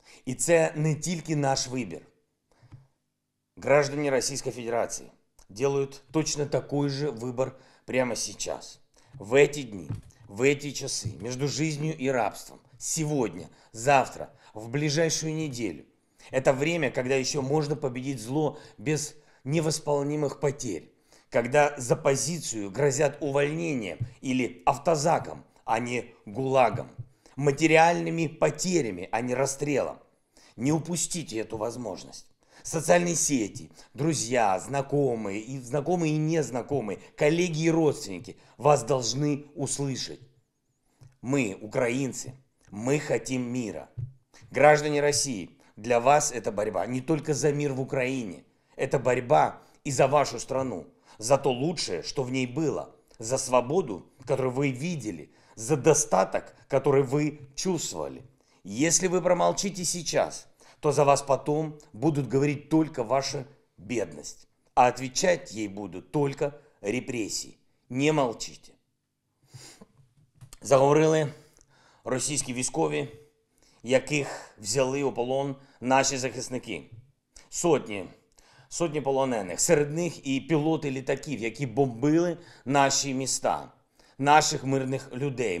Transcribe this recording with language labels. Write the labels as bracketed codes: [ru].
[uk] І це не тільки наш вибір. Граждане Російської Федерації роблять точно такий же вибір прямо зараз. В ці дні, в ці часи, між життям і рабством, сьогодні, завтра, в ближайшу неділю. Це час, коли ще можна побідити зло [ru] без невосполнимых потерь, когда за позицию грозят увольнением или автозаком, а не гулагом, материальными потерями, а не расстрелом. Не упустите эту возможность. Социальные сети, друзья, знакомые и незнакомые, коллеги и родственники вас должны услышать. Мы, украинцы, мы хотим мира. Граждане России, для вас эта борьба не только за мир в Украине, это борьба и за вашу страну, за то лучшее, что в ней было, за свободу, которую вы видели, за достаток, который вы чувствовали. Если вы промолчите сейчас, то за вас потом будут говорить только ваша бедность, а отвечать ей будут только репрессии. Не молчите. Заговорили российские [uk] військові, яких взяли у полон наши захисники. Сотні полонених, серед них і пілоти літаків, які бомбили наші міста, наших мирних людей.